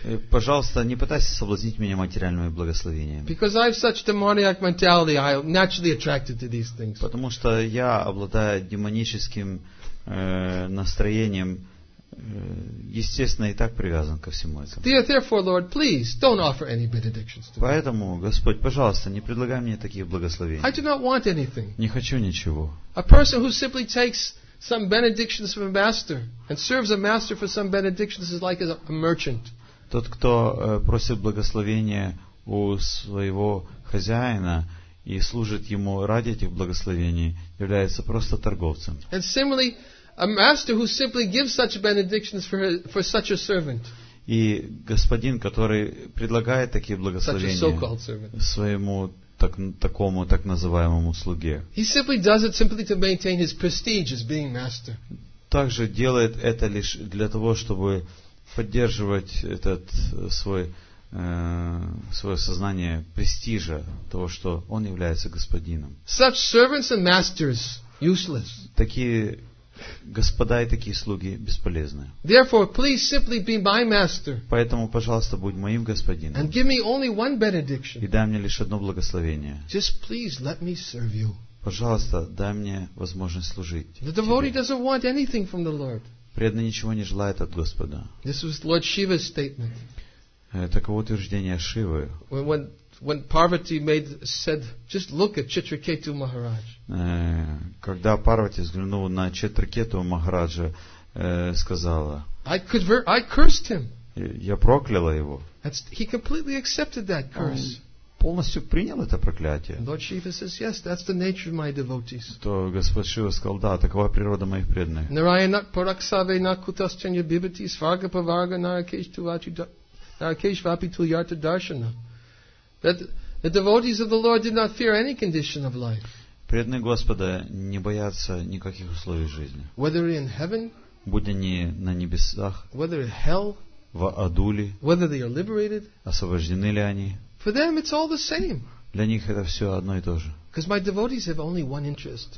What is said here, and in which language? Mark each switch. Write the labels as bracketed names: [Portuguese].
[Russian] Пожалуйста, не пытайся соблазнить меня материальными благословениями. [English] Because I have such demoniac mentality, I am naturally attracted to these things. [Russian] Потому что я обладаю демоническим настроением, естественно, и так привязан ко всему этому. [English] Therefore, Lord, please don't offer any benedictions to me. [Russian] Поэтому, Господь, пожалуйста, не предлагай мне таких благословений. [English] I do not want anything. [Russian] Не хочу ничего. [English] A person who simply takes some benedictions from a master and serves a master for some benedictions is like a merchant. [Russian] Тот, кто просит благословения у своего хозяина и служит ему ради этих благословений, является просто торговцем. [English] And similarly, a master who simply gives such benedictions for such a servant. [Russian] И господин, который предлагает такие благословения [English] such a so-called servant. [Russian] Своему такому так называемому слуге. [English] He simply does it simply to maintain his prestige as being master. [Russian] Также делает это лишь для того, чтобы поддерживать этот свое сознание престижа того, что он является господином. [English] Such servants and masters useless. [Russian] Такие господа и такие слуги бесполезны. [English] Therefore, please simply be my master. [Russian] Поэтому, пожалуйста, будь моим господином. [English] And give me only one benediction. [Russian] И дай мне лишь одно благословение. [English] Just please let me serve you. [Russian] Пожалуйста, дай мне возможность служить. [English] The devotee doesn't want anything from the Lord. [Russian] Преданный ничего не желает от Господа. [English] This was Lord Shiva's statement. [Russian] Таково утверждение Шивы. [English] When Parvati said, "Just look at Chitraketu Maharaj." [Russian] Когда Парвати взглянула на Читракету Махараджа, сказала: [English] "I cursed him." [Russian] Я прокляла его. [English] He completely accepted that curse. [Russian] Полностью принял это проклятие. [English] Lord Shiva says, "Yes, that's the nature of my devotees." [Russian] То Господь Шива сказал: "Да, такова природа моих преданных." [Sanskrit] Narayana Paraksave Nakutaschanya Bibhati Svarga Pavarga Narakeshvapi Tulyata Darshana. [English] That the devotees of the Lord did not fear any condition of life. [Russian] Преданные Господа не боятся никаких условий жизни. [English] Whether in heaven, [Russian] будь они на небесах, [English] whether in hell, [Russian] в аду ли, [English] whether they are liberated, [Russian] освобождены ли они, [English] for them it's all the same. [Russian] Для них это все одно и то же. [English] Because my devotees have only one interest.